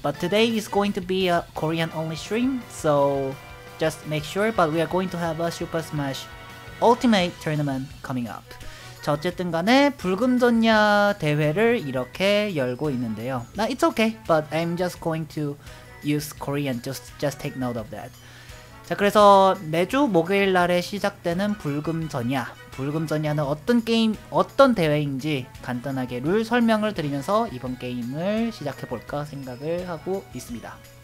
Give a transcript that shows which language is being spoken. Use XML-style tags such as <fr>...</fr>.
<en>But today is going to be a Korean only stream, so just make sure. But we are going to have a Super Smash Ultimate tournament coming up.</en> <ko>자, 어쨌든 간에 불금 전야 대회를 이렇게 열고 있는데요.</ko> <en>Now it's okay, but I'm just going to use Korean. Just take note of that.</en> <ko>자, 그래서 매주 목요일 날에 시작되는 불금전야. 불금전야는 어떤 대회인지 간단하게 룰 설명을 드리면서 이번 게임을 시작해볼까 생각을 하고 있습니다.</ko>